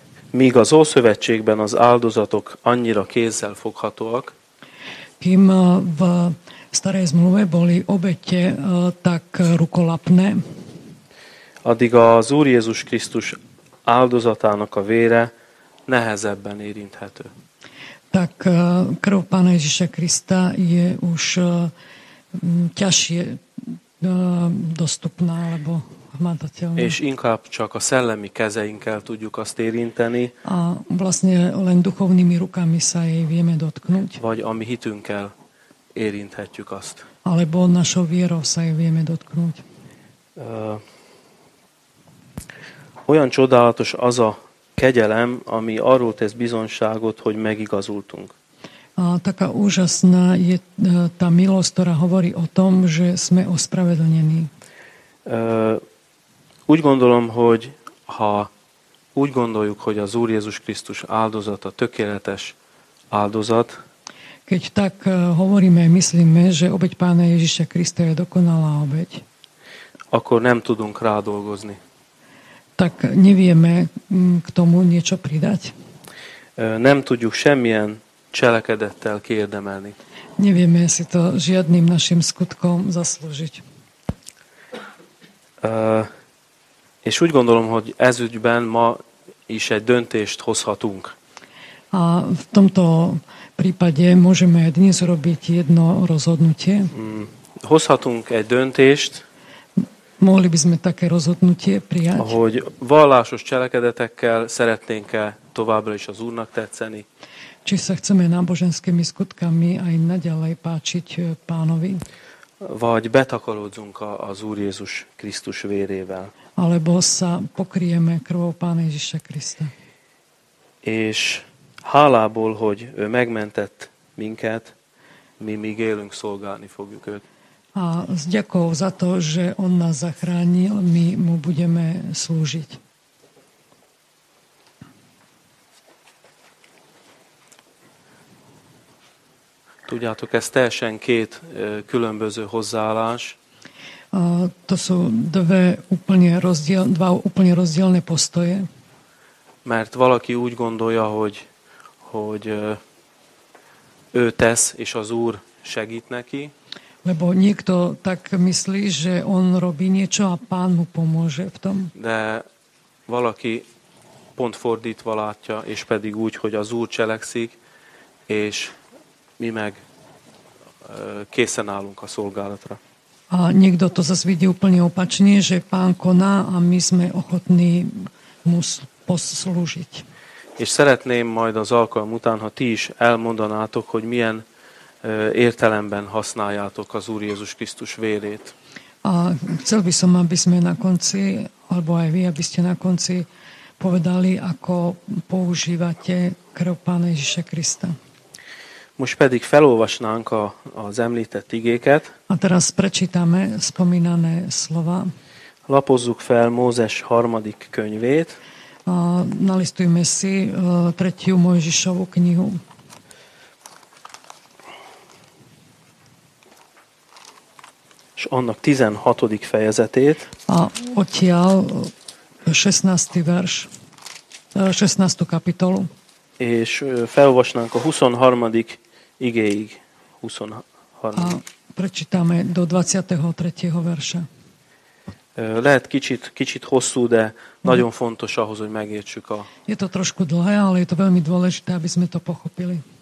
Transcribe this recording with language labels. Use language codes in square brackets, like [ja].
[hu] Míg az Ószövetségben az áldozatok annyira kézzel foghatóak, [sk] kým v starej zmluve boli obete tak rukolapné, [hu] addig az Úr Jézus Krisztus áldozatának a vére nehezebben érinthető. [sk] Tak krv Pána Ježíša Krista je už ťažšie dostupná, alebo hmatateľná. [hu] És inkább csak a szellemi kezeinkkel tudjuk azt érinteni. [sk] A vlastne len duchovnými rukami sa jej vieme dotknúť. [hu] Vagy a mi hitünkkel érinthetjük azt. [sk] Alebo našou vierou sa jej vieme dotknúť. [hu] Olyan csodálatos az a kegyelem, ami arról tesz bizonságot, hogy megigazultunk. [sk] A taká úžasná je tá milosť, ktorá hovorí o tom, že sme ospravedlnení. [hu] Úgy gondolom, hogy ha úgy gondoljuk, hogy az Úr Jézus Krisztus áldozat, a tökéletes áldozat. [sk] Keď tak hovoríme, myslíme, že obeť Pána Ježíša Krista je dokonalá obeť. [hu] Akkor nem tudunk rá dolgozni. [sk] Tak nevieme k tomu niečo pridať. [hu] Nem tudjuk semmilyen cselekedettel kiérdemelni. [sk] Nevieme si to žiadnym našim skutkom zaslúžiť. [hu] És úgy gondolom, hogy ez ügyben ma is egy döntést hozhatunk. [sk] A v tomto prípade môžeme dnes urobiť jedno rozhodnutie. [hu] Hozhatunk egy döntést. [sk] Mohli by sme také rozhodnutie prijať. [hu] Hogy vallásos cselekedetekkel szeretnénk-e továbbra is az Úrnak tetszeni. [sk] Či sa chceme náboženskými skutkami aj naďalej páčiť Pánovi. [hu] Vagy betakarodzunk az Úr Jézus Krisztus vérével. [sk] Alebo sa pokrieme krvou Pána Ježiša Krista. [hu] És hálából, hogy ő megmentett minket, mi míg élünk szolgálni fogjuk őt. [sk] A s ďakou za to, že on nás zachránil, my mu budeme slúžiť. [hu] Tudjátok, ez teljesen két különböző hozzáállás. [sk] To sú dva úplne rozdielne postoje. [hu] Mert valaki úgy gondolja, hogy ő tesz, és az Úr segít neki. [sk] Lebo niekto tak myslí, že on robí niečo a Pán mu pomôže v tom. [hu] De valaki pont fordítva látja, és pedig úgy, hogy az Úr cselekszik, és mi meg készen állunk a szolgálatra. [sk] A niekto to zase vidí úplne opačne, že Pán koná a my sme ochotní mu poslúžiť. [hu] És szeretném majd az alkalom után, ha ti is elmondanátok, hogy milyen értelemben használjátok az Úr Jézus Krisztus vérét. [sk] A chcel by som, aby sme na konci, alebo aj vy, aby ste na konci povedali, ako používate krv Pána Ježíša Krista. [hu] Most pedig felolvasnánk az említett igéket. [sk] A teraz prečítame spomínané slova. [hu] Lapozzuk fel Mózes harmadik könyvét. [sk] A nalistujme si tretiu Mojžišovu knihu. [hu] És annak 16. fejezetét. [sk] A odtiaľ 16. vers, 16. kapitolu. [hu] És felolvasnánk a 23. igéig. 23. [sk] A prečítame do 23. verša. [hu] Lehet kicsit hosszú, de nagyon fontos ahhoz, hogy megértsük a... [sk] Je to trošku dlhé, ale je to veľmi dôležité, aby sme to pochopili.